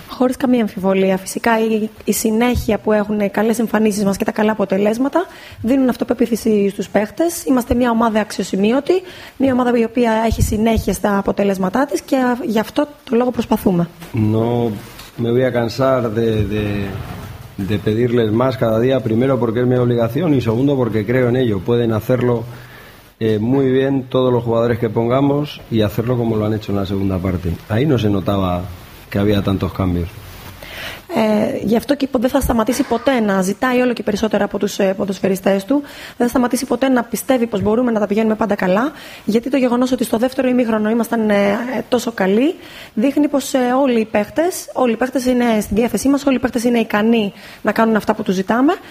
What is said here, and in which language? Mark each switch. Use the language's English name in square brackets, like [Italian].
[Greek] Χωρίς καμία αμφιβολία, φυσικά η συνέχεια που έχουν καλές εμφανίσεις μας και τα καλά αποτελέσματα δίνουν αυτοπεποίθηση στους παίχτες. Είμαστε μια ομάδα αξιοσημείωτη, μια ομάδα η οποία έχει συνέχεια στα αποτελέσματά της και γι' αυτό το λόγο προσπαθούμε. [Spanish] No me voy a cansar de pedirles más cada día, primero porque es mi obligación y segundo porque creo en ello. Pueden hacerlo muy bien todos los jugadores que pongamos y hacerlo como lo han hecho en la segunda parte. Ahí no se notaba que había tantos cambios. [Greek] Γι' αυτό και δεν θα σταματήσει ποτέ να ζητάει όλο και περισσότερα από τους ποδοσφαιριστές του. Δεν θα σταματήσει ποτέ να πιστεύει πως μπορούμε να τα πηγαίνουμε πάντα καλά. Γιατί το γεγονός ότι στο δεύτερο ημίχρονο ήμασταν τόσο καλοί δείχνει πως όλοι οι παίχτες είναι στην διάθεσή μας, όλοι οι παίχτες είναι ικανοί να κάνουν αυτά που τους ζητάμε.